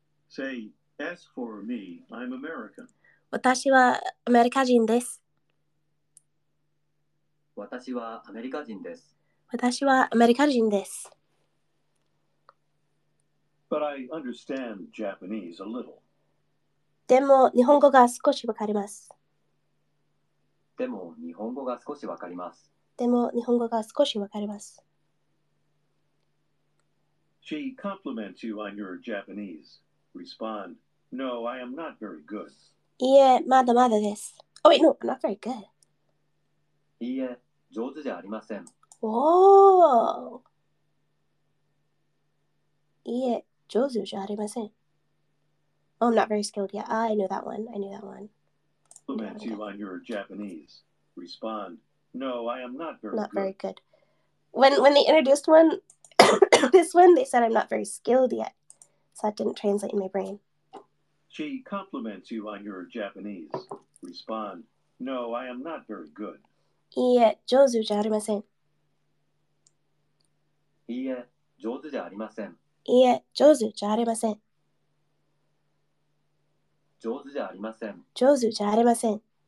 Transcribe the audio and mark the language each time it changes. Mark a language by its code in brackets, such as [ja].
[en] Say as for me, I'm American. [ja] 私はアメリカ人です。私はアメリカ人です。私はアメリカ人です。 [en] But I understand Japanese a little. [ja] でも日本語が少しわかります。でも日本語が少しわかります。でも日本語が少しわかります。 [en] She compliments you on your Japanese. Respond, No, I am not very good. [ja] いいえ、まだまだです。 [en] Oh, wait, no, I'm not very good. [ja] いいえ。上手じゃありません。おお。いいえ、上手じゃありません。 [en] Oh, I'm not very skilled yet. Ah, I knew that one. I knew that one. Compliment you on your Japanese. Respond. No, I am not very good. Not very good. When they introduced one, this one, they said I'm not very skilled yet. So that didn't translate in my brain. She compliments you on your Japanese. Respond. No, I am not very good. [ja] いいえ、上手じゃありません。いいえ、上手じゃありません。いいえ、上手じゃありません。上手じゃありません。上手じゃありません。